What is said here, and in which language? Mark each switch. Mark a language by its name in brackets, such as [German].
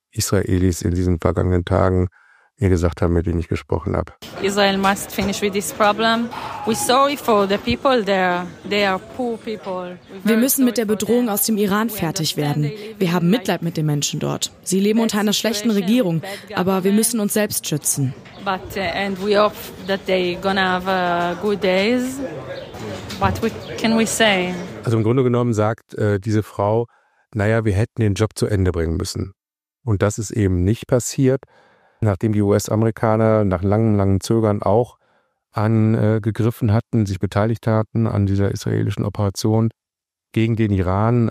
[German] Israelis in diesen vergangenen Tagen mir gesagt haben, mit denen ich gesprochen habe. [English] Israel must finish with this problem. We're sorry for the people there. They are poor people. [German] Wir müssen mit der Bedrohung aus dem Iran fertig werden. Wir haben Mitleid mit den Menschen dort. Sie leben unter einer schlechten Regierung, aber wir müssen uns selbst schützen. [English] But and we hope that they gonna have good days. What can we say? [German] Also im Grunde genommen sagt diese Frau, naja, wir hätten den Job zu Ende bringen müssen. Und das ist eben nicht passiert, nachdem die US-Amerikaner nach langen Zögern auch angegriffen hatten, sich beteiligt hatten an dieser israelischen Operation gegen den Iran.